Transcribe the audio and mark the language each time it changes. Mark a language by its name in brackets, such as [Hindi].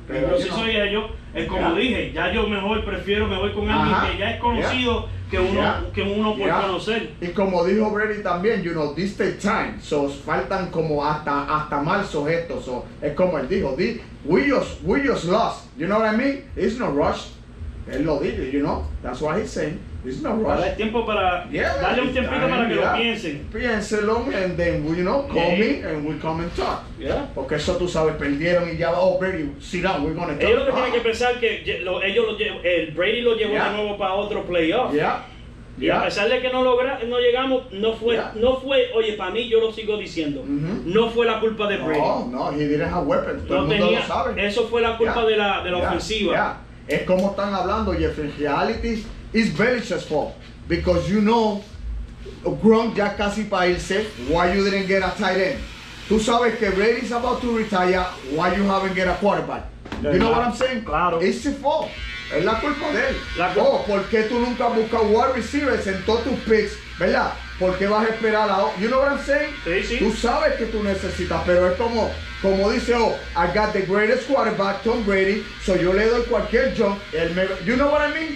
[Spanish] Pero si soy ellos, es como dije, ya yo mejor prefiero me voy con alguien que ya es conocido que uno por conocer. Y como dijo Brady también, [English] you know, this takes time. [Spanish] So faltan como hasta marzo esto. So es como él dijo, [English] we just lost. You know what I mean? It's no rush. [Spanish] Él lo dice, [English] you know, that's what he's saying. It's not rush. [Spanish] Dale tiempo para darle un tiempito para que lo piensen. Piénselo, [English] and then, you know, call me and we come and talk. Yeah. [Spanish] Porque eso tú sabes, perdieron y ya, Brady, [English] sit down, we're gonna talk. [Spanish] Ellos lo que tienen que pensar que Brady lo llevó de nuevo para otro playoff. [English] Yeah. [Spanish] Y a pesar de que no llegamos, no fue, oye, para mí, yo lo sigo diciendo, no fue la culpa de Brady. [English] No, he didn't have weapons. [Spanish] Todo el mundo lo sabe. Eso fue la culpa de la ofensiva. Es como están hablando, Jeffrey. [English] Reality is Belichick's fault. Because you know, Gronk [Spanish] ya casi para irse, [English] why you didn't get a tight end? [Spanish] Tú sabes que [English] Brady is about to retire, why you haven't get a quarterback? You know what I'm saying? [Spanish] Claro. [English] It's his fault. [Spanish] Es la culpa de él. ¿Por qué tú nunca buscas wide receivers en todos tus picks? ¿Verdad? ¿Por qué vas a esperar a... [English] You know what I'm saying? [Spanish] Sí, sí. Tú sabes que tú necesitas, pero es como dice, [English] I got the greatest quarterback, [Spanish] Tom Brady, so yo le doy cualquier jump. [English] You know what I mean?